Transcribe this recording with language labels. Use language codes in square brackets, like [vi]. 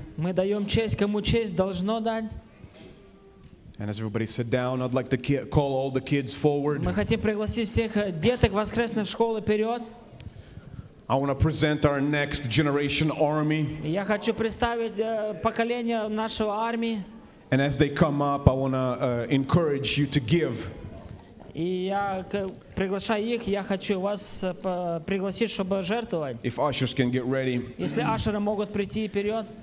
[ru] Мы даем честь, кому честь должно дать. [en] And as everybody sit down, I'd like to call all the kids forward. [ru] Мы хотим пригласить всех деток воскресной школы вперед. [en] I want to present our next generation army. [ru] Я хочу представить поколение нашего армии. [en] And as they come up, I want to encourage you to give. [ru] И я приглашаю их, я хочу вас пригласить, чтобы жертвовать. [en] If ushers can get ready. [ru] Если ашеры могут прийти вперед.